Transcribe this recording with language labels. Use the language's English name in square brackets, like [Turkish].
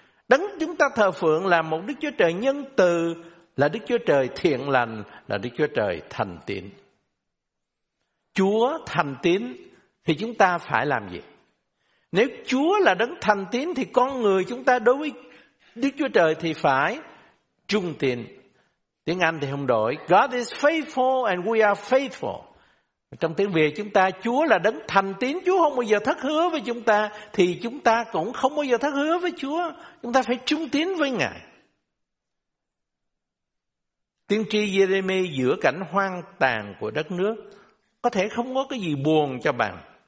[Vietnamese] Đấng chúng ta thờ phượng là một Đức Chúa Trời nhân từ, là Đức Chúa Trời thiện lành, là Đức Chúa Trời thành tín. Chúa thành tín thì chúng ta phải làm gì? Nếu Chúa là đấng thành tín thì con người chúng ta đối với Đức Chúa Trời thì phải trung tín. Tiếng Anh thì không đổi. [English] God is faithful and we are faithful. [Vietnamese] Trong tiếng Việt chúng ta, Chúa là đấng thành tín, Chúa không bao giờ thất hứa với chúng ta, thì chúng ta cũng không bao giờ thất hứa với Chúa. Chúng ta phải trung tín với Ngài. Tiên tri Jeremy giữa cảnh hoang tàn của đất nước có thể không có cái gì buồn cho bạn.